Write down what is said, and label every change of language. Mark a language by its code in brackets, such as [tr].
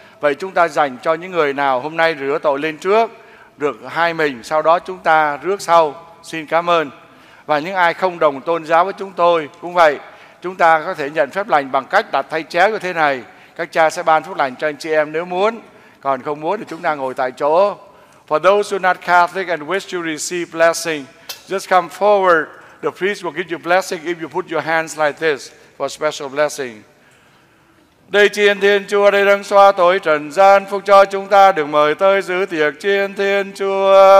[vi] Vậy chúng ta dành cho những người nào hôm nay rửa tội lên trước, được hai mình, sau đó chúng ta rước sau. Xin cảm ơn. Và những ai không đồng tôn giáo với chúng tôi cũng vậy, chúng ta có thể nhận phép lành bằng cách đặt thay chén như thế này. Các cha sẽ ban phúc lành cho anh chị em nếu muốn, còn không muốn thì chúng ta ngồi tại chỗ. [en] For those who are not Catholic and wish to receive blessing, just come forward. The priest will give you blessing if you put your hands like this for special blessing. [vi] Đây chiên Thiên Chúa, đây đấng xóa tội trần gian, phúc cho chúng ta được mời tới giữ tiệc chiên Thiên Chúa.